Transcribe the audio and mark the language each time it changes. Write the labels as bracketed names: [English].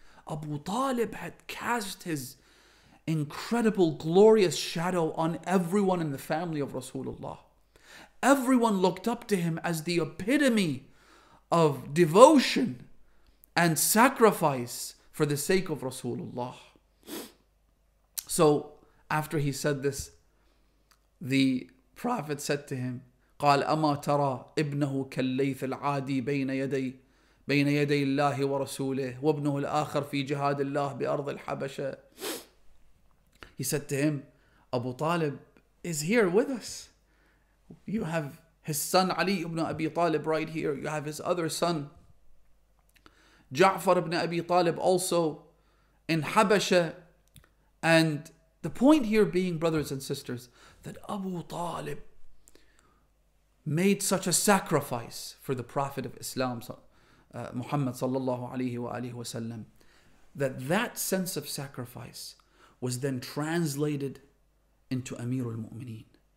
[English] Abu Talib had cast his incredible, glorious shadow on everyone in the family of Rasulullah. Everyone looked up to him as the epitome of devotion and sacrifice for the sake of Rasulullah. So after he said this, the Prophet said to him, [Arabic] قال أما ترى ابنه كالليث العادي بين يدي الله ورسوله وابنه الآخر في جهاد الله بأرض الحبشة. [English] He said to him, Abu Talib is here with us. You have his son Ali ibn Abi Talib right here. You have his other son, Ja'far ibn Abi Talib, also in Habasha. And the point here being, brothers and sisters, that Abu Talib made such a sacrifice for the Prophet of Islam, Muhammad sallallahu alayhi wa alayhi wa sallam, that sense of sacrifice was then translated into Amir al-Mu'mineen.